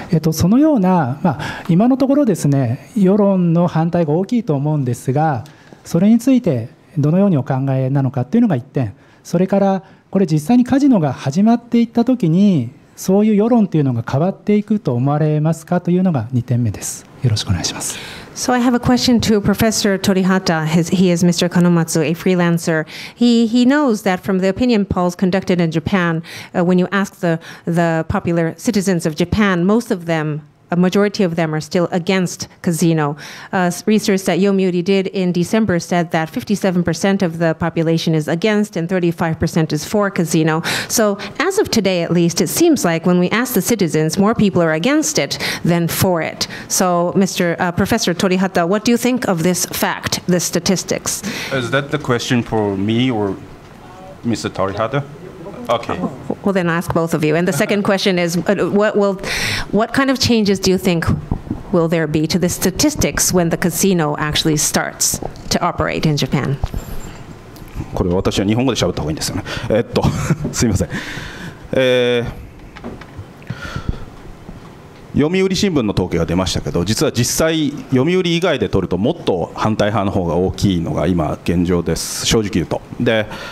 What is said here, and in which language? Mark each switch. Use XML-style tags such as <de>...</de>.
<ja>そのような、まあ、今のところですね、世論の反対が大きいと思うんですが、それについてどのようにお考えなのかというのが1点、それからこれ、実際にカジノが始まっていったときに、そういう世論というのが変わっていくと思われますかというのが2点目です。よろしくお願いします。</ja> <en>So I have a question to Professor Torihata. He is Mr. Kanomatsu, a freelancer. He knows that from the opinion polls conducted in Japan, when you ask the popular citizens of Japan, most of them, a majority of them, are still against casino. Research that Yomiuri did in December said that 57% of the population is against and 35% is for casino. So as of today, at least, it seems like when we ask the citizens, more people are against it than for it. So Mr. Professor Torihata, what do you think of this fact, the statistics? Is that the question for me or Mr. Torihata? Okay. Well, then ask both of you. And the second question is, what kind of changes do you think will there be to the statistics when the casino actually starts to operate in Japan?</en> <ja>これ私は日本語で喋った方がいいんですよね。すみません。読売新聞の統計が出ましたけど、実は実際読売以外で取るともっと反対派の方が大きいのが今現状です。正直言うと。で。</ja>